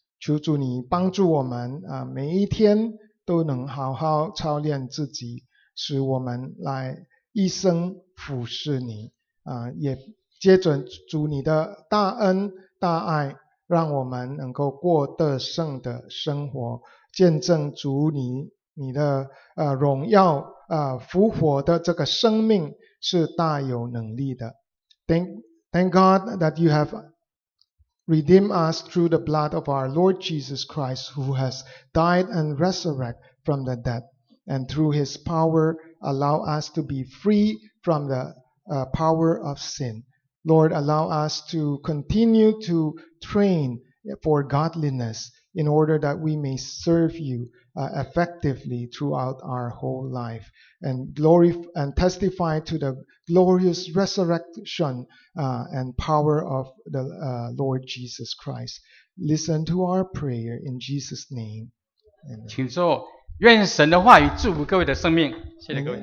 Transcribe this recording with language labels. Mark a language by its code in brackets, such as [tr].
[zh] 求主你帮助我们每一天都能好好操练自己，使我们来一生服侍你也接着主你的大恩大爱，让我们能够过得胜的生活，见证主你的荣耀复活的这个生命是大有能力的。 [en] Thank God that you have redeemed us through the blood of our Lord Jesus Christ, who has died and resurrected from the dead, and through his power allow us to be free from the power of sin. Lord, allow us to continue to train for godliness in order that we may serve you effectively throughout our whole life, and testify to the glorious resurrection and power of the Lord Jesus Christ. Listen to our prayer in Jesus' name. [zh] 请坐，愿神的话语祝福各位的生命。谢谢各位。